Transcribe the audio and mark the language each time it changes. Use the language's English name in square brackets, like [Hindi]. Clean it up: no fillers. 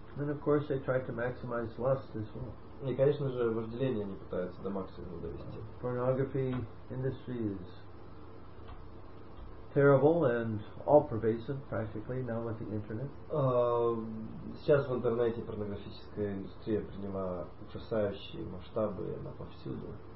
[English] And of course they try to maximize lust as well. [Russian] И, конечно же, вожделение они пытаются до максимума довести. [English] Pornography industry is terrible and all pervasive practically now with the internet. [Russian] Сейчас в интернете порнографическая индустрия приняла ужасающие масштабы, она повсюду.